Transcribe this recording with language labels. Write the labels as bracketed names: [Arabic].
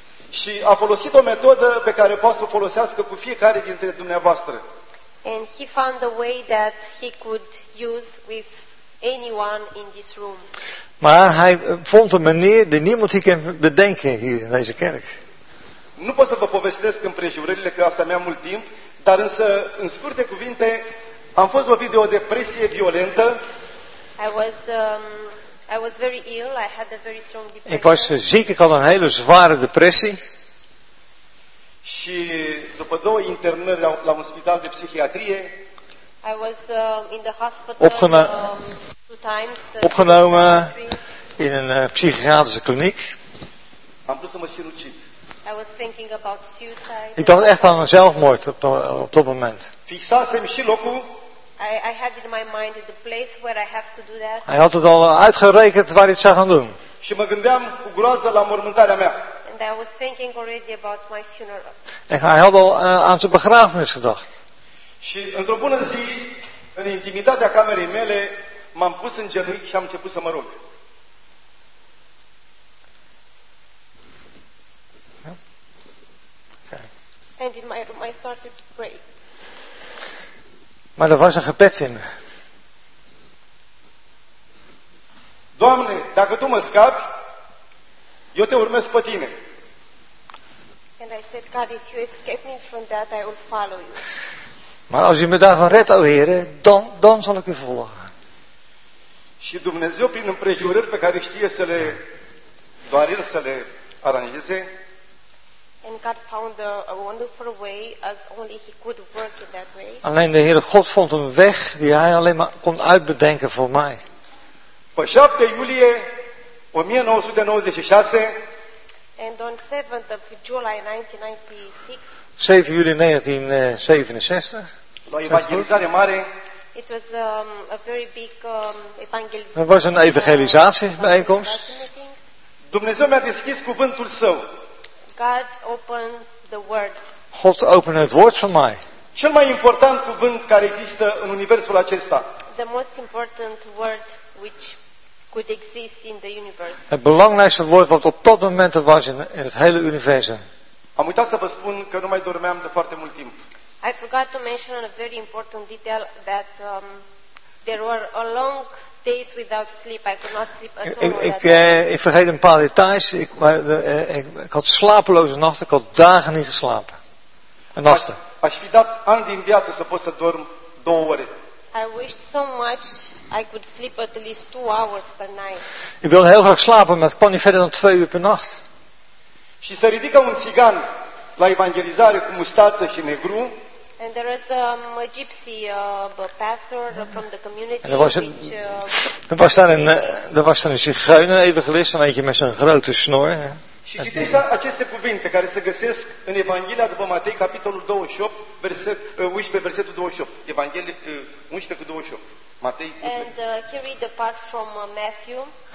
[Romanian] Și a folosit o metodă pe care poate să o folosească cu fiecare dintre dumneavoastră. [English] And he found a way that he could use with anyone in this room. [Dutch] Maar hij vond een manier die niemand hier kan bedenken hier in deze kerk. [Romanian] Nu pot să vă povestesc împrejurările că asta mi-a mult timp, dar însă în scurte cuvinte, am fost lovit de o depresie violentă. [English] I was very ill. I had a very strong depression. [Dutch] Ik was ziek. Ik had een hele zware depressie. [Romanian] Și după două internări la un spital de psihiatrie. [English] I was in the hospital two times. [Dutch] Opgenomen in een psychiatrische kliniek. [Romanian] Am vrut să mă sinucid. [English] I was thinking about suicide. [Dutch] Ik dacht echt aan een zelfmoord op dat moment. [Romanian] Fixasem și locul. [English] I had in my mind the place where I have to do that. [Dutch] Hij had het al uitgerekend waar hij het zou gaan doen. [Romanian] Și mă gândeam cu groază la mormântarea mea. [English] And I was thinking already about my funeral. [Dutch] En hij had al aan zijn begrafenis gedacht. [Romanian] Și într-o bună zi, în intimitatea camerei mele, m-am pus în genunchi și am început să mă rog. [English] And in my room I started to pray. [Dutch] Maar er was een gebed in me. [Romanian] Doamne, dacă tu mă scapi, eu te urmez pe tine. [English] And I said, God, if you escape me from that, I will follow you. [Dutch] Maar als u me daarvan redt, o Heere, dan zal ik u volgen. [Romanian] Și Dumnezeu, prin împrejurări pe care știe să le, doar El să le aranjeze, [English] and God found a wonderful way as only he could work in that way. [Dutch] Alleen de Heere God vond een weg die hij alleen maar kon uitbedenken voor mij. [Romanian] Pe 7 iulie 1996. [English] And on 7th of July 1996. [Dutch] 7 juli 1967. [Romanian] La evangelizare mare. [English] It was a very big evangelism. [Dutch] Het was een evangelisatie bijeenkomst. [Romanian] Dumnezeu mi-a deschis cuvântul său. [English] God opened the word. [Dutch] God opende het woord van mij. [Romanian] Cel mai important cuvânt care există în universul acesta. [English] The most important word which could exist in the universe. [Dutch] Het belangrijkste woord wat op dat moment er was in het hele universum. [Romanian] Am uitat să vă spun că nu mai dormeam de foarte mult timp. [English] I forgot to mention a very important detail that there were a long days without sleep. I could not sleep at all. [Dutch] Ik vergeet een paar details. Ik had slapeloze nachten. Ik had dagen niet geslapen. En nachten. [Romanian] Aș fi dat ani din viață să pot să dorm 2 ore. [English] I wish so much I could sleep at least 2 hours per night. [Dutch] Ik wil heel graag slapen, maar ik kan niet verder dan 2 uur per nacht. [Romanian] Și se ridică un țigan la evangelizare cu mustață și negru. [English] And there is a gypsy pastor from the community. [Dutch] Er was daar een zigeuner evangelist, een beetje met zijn grote snor. [Romanian] Și citește aceste cuvinte care se găsesc în Evanghelia după Matei, capitolul 28, versetul 28. Evanghelie 11 cu 28. Matei 11. [English] And he read apart from Matthew.